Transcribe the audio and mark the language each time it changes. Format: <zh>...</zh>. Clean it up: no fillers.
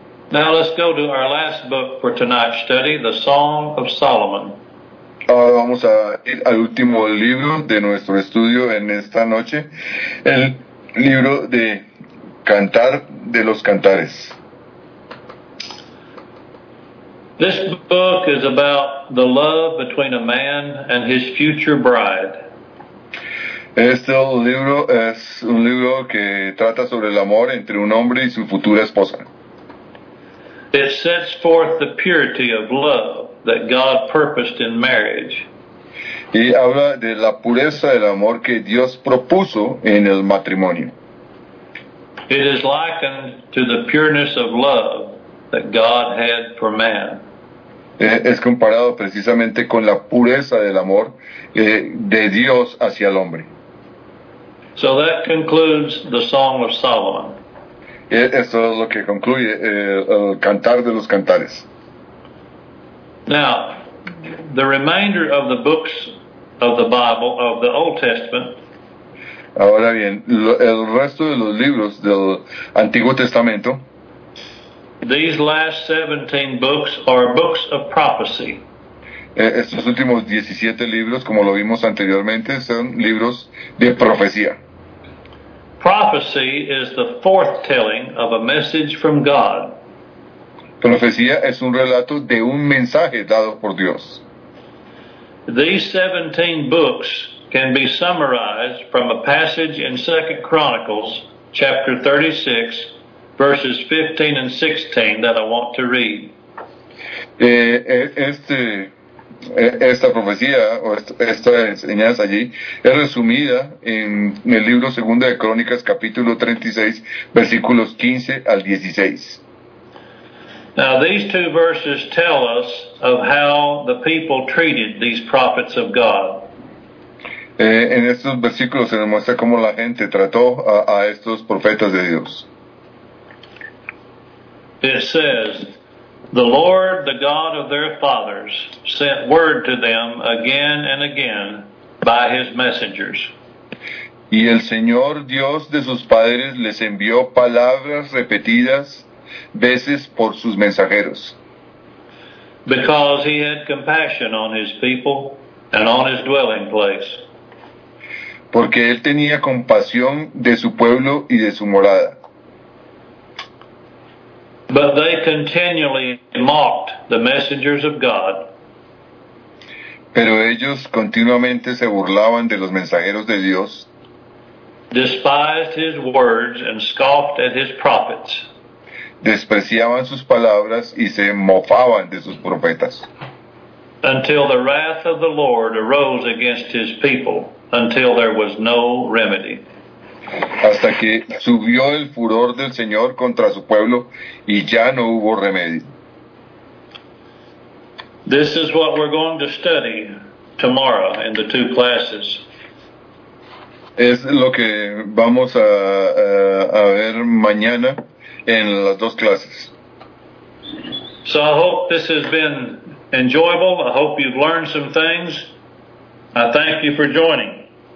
<en>Now let's go to our last book for tonight's study, The Song of Solomon.</en> <es>Ahora vamos a ir al último libro de nuestro estudio en esta noche, el libro de Cantar de los Cantares.</es> <en>This book is about the love between a man and his future bride.</en> <es>Este libro es un libro que trata sobre el amor entre un hombre y su futura esposa.</es> <en>It sets forth the purity of love that God purposed in marriage.</en> <es>Y habla de la pureza del amor que Dios propuso en el matrimonio.</es> <en>It is likened to the pureness of love that God had for man.</en> <es>es comparado precisamente con la pureza del amor de Dios hacia el hombre.</es> <en>So that concludes the Song of Solomon.</en> <es>Eso es lo que concluye el Cantar de los Cantares.</es> <en>Now, the remainder of the books of the Bible, of the Old Testament.</en> <es>Ahora bien, el resto de los libros del Antiguo Testamento.</es> <en>These last 17 books are books of prophecy.</en> <es>Estos últimos 17 libros, como lo vimos anteriormente, son libros de profecía.</es> <en>Prophecy is the foretelling of a message from God.</en> <es>Profecía es un relato de un mensaje dado por Dios.</es> <en>These 17 books can be summarized from a passage in 2 Chronicles, chapter 36, verses 15 and 16 that I want to read.</en> <es>Esta profecía o esta enseñanza allí es resumida en el libro Segunda de Crónicas capítulo 36 versículos 15 al 16.</es> <en>Now these two verses tell us of how the people treated these prophets of God.</en> <es>En estos versículos se demuestra cómo la gente trató a estos profetas de Dios.</es> <en>It says, "The Lord, the God of their fathers, sent word to them again and again by his messengers."</en> <es>Y el Señor Dios de sus padres les envió palabras repetidas veces por sus mensajeros.</es> <en>Because he had compassion on his people and on his dwelling place.</en> <es>Porque él tenía compasión de su pueblo y de su morada.</es> <en>But they continually mocked the messengers of God.</en> <es>Pero ellos continuamente se burlaban de los mensajeros de Dios.</es> <en>Despised his words and scoffed at his prophets.</en> <es>Despreciaban sus palabras y se mofaban de sus profetas.</es> <en>Until the wrath of the Lord arose against his people, until there was no remedy.</en> <es>Hasta que subió el furor del Señor contra su pueblo y ya no hubo remedio.</es> <en>This is what we're going to study tomorrow in the two classes.</en> <es>Es lo que vamos a ver mañana en las dos clases.</es> <en>So I hope this has been enjoyable. I hope you've learned some things. I thank you for joining.</en>